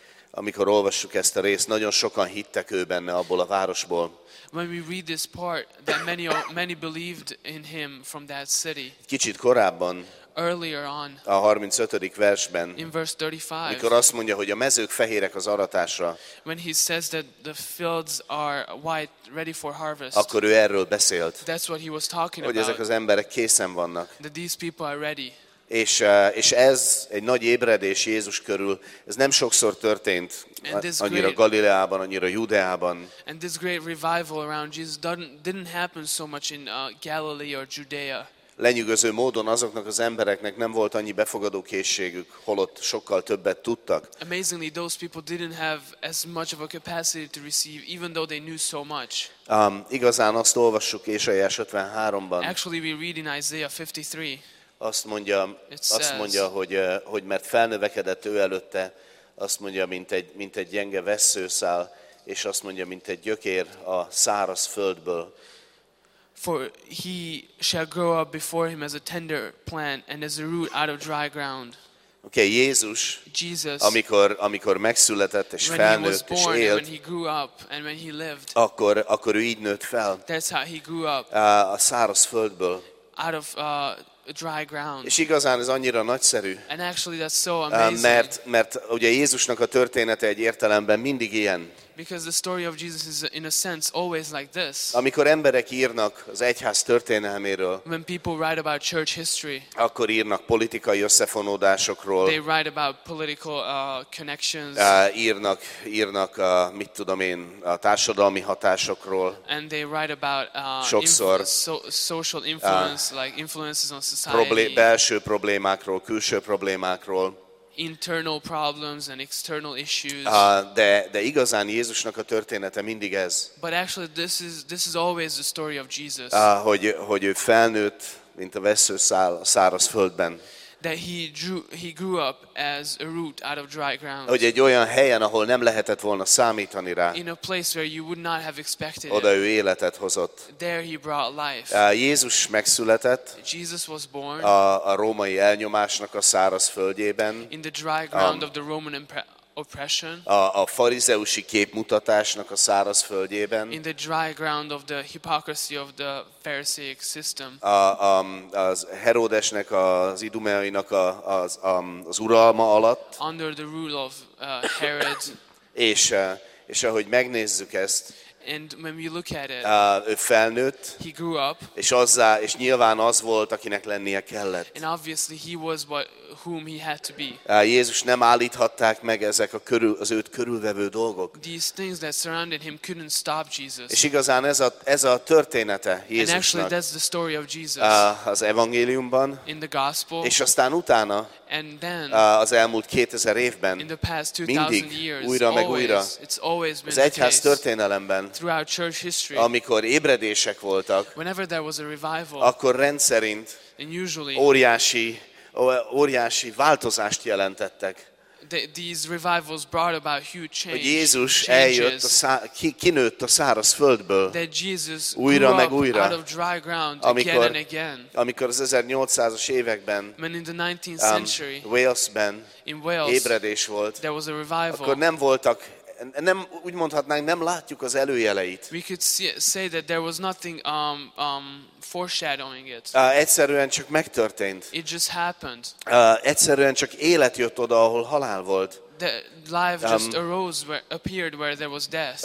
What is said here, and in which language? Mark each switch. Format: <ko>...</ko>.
<hu>Amikor olvassuk ezt a részt, nagyon sokan hittek ő benne abból a városból.</hu> <en>When we read this part, that many believed in him from that city.</en> <hu>Kicsit korábban,</hu> <en>earlier on,</en> <hu>a 35. versben,</hu> <en>in verse 35,</en> <hu>mikor azt mondja, hogy a mezők fehérek az aratásra,</hu> <en>when he says that the fields are white, ready for harvest,</en> <hu>akkor ő erről beszélt,</hu> <en>that's what he was talking</en> <hu>hogy</hu> <en>about,</en> <hu>ezek az emberek készen vannak.</hu> <en>That these people are ready.</en> <hu>És ez egy nagy ébredés Jézus körül, ez nem sokszor történt, annyira Galileában, annyira Judeában.</hu> <en>And this great revival around Jesus didn't happen so much in Galilee or Judea.</en> <hu>Lenyűgöző módon azoknak az embereknek nem volt annyi befogadókészségük, holott sokkal többet tudtak.</hu> <en>Amazingly, those people didn't have as much of a capacity to receive, even though they knew so much.</en> <hu>Igazán azt olvassuk Ésaiás 53-ban.</hu> <en>Actually, we read in Isaiah 53.</en> <hu>Azt mondja, hogy mert felnövekedett ő előtte, azt mondja, mint egy gyenge vesszőszál, és azt mondja, mint egy gyökér a száraz földből.</hu> <en>For he shall grow up before him as a tender plant and as a root out of dry ground.</en> <hu>Okay, Jézus,</hu> <en>Jesus,</en> <hu>amikor megszületett és felnőtt</hu> <en>born,</en> <hu>és élt,</hu> <en>when he grew up and when he lived,</en> <hu>akkor ő így nőtt fel.</hu> <en>That's how he grew up.</en> <hu>A száraz földből.</hu> <en>Out of dry ground.</en> <hu>És igazán ez annyira nagyszerű.</hu> <en>And actually that's so amazing.</en> <hu>Mert ugye Jézusnak a története egy értelemben mindig ilyen.</hu> <en>Because the story of Jesus is in a sense always like this.</en> <hu>Amikor emberek írnak az egyház történelméről,</hu> <en>when people write about church history,</en> <hu>akkor írnak politikai összefonódásokról,</hu> <en>they write about political connections,</en> <hu>írnak mit tudom én, a társadalmi hatásokról,</hu> <en>and they write about social influence, like influences on society,</en> <hu>belső problémákról, külső problémákról,</hu> <en>internal problems and external issues.</en> <hu>De igazán Jézusnak a története mindig ez.</hu> <en>But actually this is always the story of Jesus.</en> <hu>Hogy ő felnőtt, mint a vesszőszál a száraz földben.</hu> <en>That he grew up as a root out of dry ground.</en> <hu>Hogy egy olyan helyen, ahol nem lehetett volna számítani rá.</hu> <en>In a place where you would not have expected.</en> <hu>Oda ő életet hozott.</hu> <en>There he brought life.</en> <hu>Jézus megszületett.</hu> <en>Jesus was born.</en> <hu>A római elnyomásnak a száraz földjében.</hu> <en>In the dry ground of the Roman Empire. oppression.</en> <hu>A farizeusi képmutatásnak a száraz földjében.</hu> <en>In the dry ground of the hypocrisy of the Pharisaic system.</en> <hu>Az Herodesnek, az idumeainak az uralma alatt.</hu> <en>Under the rule of Herod.</en> <hu>És ahogy megnézzük ezt,</hu> <en>and when we look at it,</en> <hu>ő felnőtt,</hu> <en>he grew up,</en> <hu>és nyilván az volt, akinek lennie kellett.</hu> <en>And obviously he was whom he had to be.</en> <hu>Jézus nem állíthatták meg ezek az őt körülvevő dolgok.</hu> <en>These things that surrounded him couldn't stop Jesus.</en> <hu>És igazán ez a története Jézusnak.</hu> <en>And actually that's the story of Jesus.</en> <hu>Az evangéliumban.</hu> <en>In the gospel.</en> <hu>És aztán utána.</hu> <en>And then,</en> <hu>az elmúlt 2000 évben</hu> <en>in the past 2000</en> <hu>mindig,</hu> <en>years,</en> <hu>újra meg</hu> <en>always,</en> <hu>újra</hu> <en>it's always been</en> <hu>az egyház történelemben,</hu> <en>throughout church history,</en> <hu>amikor ébredések voltak,</hu> <en>whenever there was a revival,</en> <hu>akkor rendszerint</hu> <en>and usually,</en> <hu>óriási változást jelentettek.</hu> <en>These revivals brought about huge change,</en> <hu>hogy Jézus eljött, kinőtt a száraz földből,</hu> <en>that Jesus</en> <hu>újra meg újra,</hu> <en>out of dry ground, amikor, again and again.</en> <hu>Amikor az 1800-as években,</hu> <en>when in the 19th century,</en> <hu>Walesben</hu> <en>in Wales,</en> <hu>ébredés volt,</hu> <en>there was a revival,</en> <hu>akkor nem voltak, nem, úgy mondhatnánk, nem látjuk az előjeleit.</hu> <en>We could say that there was nothing foreshadowing it.</en> <hu>Egyszerűen csak megtörtént.</hu> <en>It just happened.</en> <hu>Egyszerűen csak élet jött oda, ahol halál volt.</hu> <en>The life just arose where, appeared where there was death.</en>